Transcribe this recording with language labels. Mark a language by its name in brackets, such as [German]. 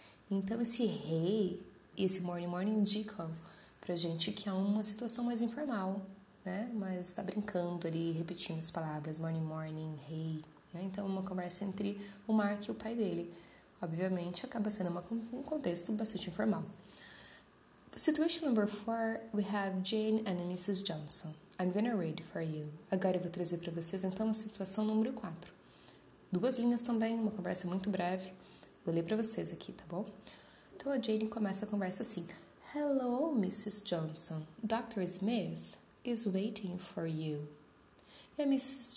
[Portuguese] Então, esse hey e esse morning, morning indicam pra gente que é uma situação mais informal, né? Mas tá brincando ali, repetindo as palavras, morning, morning, hey, né? Então, uma conversa entre o Mark e o pai dele. Obviamente, acaba sendo um contexto bastante informal. [English] Situation number four, we have Jane and Mrs. Johnson. I'm gonna read for you. [Portuguese] Agora eu vou trazer para vocês, então, a situação número 4. Duas linhas também, uma conversa muito breve. Vou ler para vocês aqui, tá bom? Então a Jane começa a conversa assim: [English] Hello, Mrs. Johnson. Dr. Smith is waiting for you. [Portuguese] E a [English] Mrs.